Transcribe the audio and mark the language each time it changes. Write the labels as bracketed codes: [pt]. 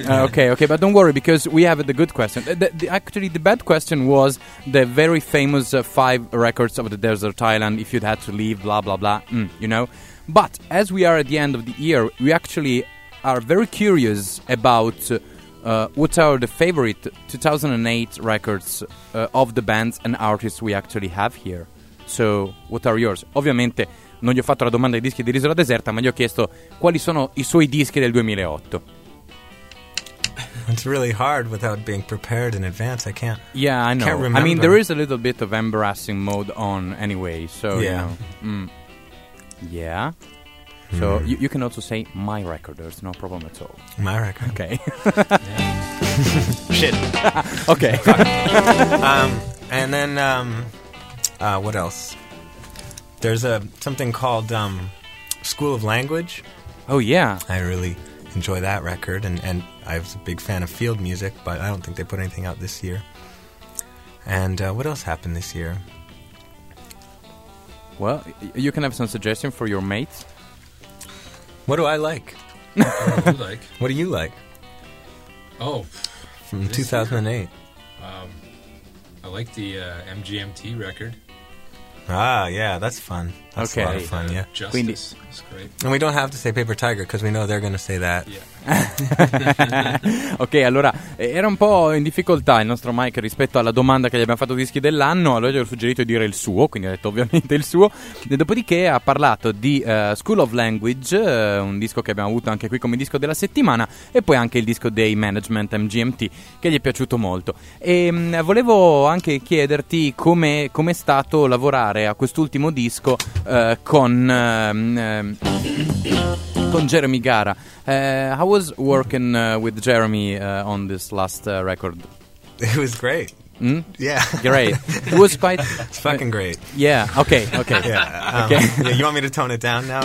[en] Okay, but don't worry, because we have the good question. The bad question was the very famous five records of the Desert Island, if you'd had to leave, blah, blah, blah, you know? But as we are at the end of the year, we actually are very curious about what are the favorite 2008 records of the bands and artists we actually have here. So, what are yours? [it] Ovviamente, non gli ho fatto la domanda ai dischi di Isola Deserta, ma gli ho chiesto quali sono i suoi dischi del 2008. [en] It's really hard without being prepared in advance. I can't. Yeah, I know. Can't remember. I mean, there is a little bit of embarrassing mode on anyway, so yeah. You know. Yeah. So you can also say my record. There's no problem at all. My record. Okay. Shit. Okay. And then what else? There's something called School of Language. Oh yeah. I really enjoy that record, and I was a big fan of Field Music, but I don't think they put anything out this year. And what else happened this year? Well, you can have some suggestion for your mates. What do I like? What do you like? Oh. From 2008. I like the MGMT record. Ah, yeah, that's fun. That's okay. A lot of fun, yeah. Justice. Queenie. That's great. And we don't have to say Paper Tiger, because we know they're going to say that. Yeah. [it] Ok, allora, era un po' in difficoltà il nostro Mike rispetto alla domanda che gli abbiamo fatto dischi dell'anno, allora gli ho suggerito di dire il suo, quindi ha detto ovviamente il suo, e dopodiché ha parlato di School of Language, un disco che abbiamo avuto anche qui come disco della settimana, e poi anche il disco dei Management MGMT, che gli è piaciuto molto. E volevo anche chiederti com'è stato lavorare a quest'ultimo disco con Jeremy Gara. [en] How was working with Jeremy on this last record? It was great. Mm? Yeah. Great. It was quite... It's fucking great. Yeah, okay, okay. Yeah, okay. Yeah, you want me to tone it down now?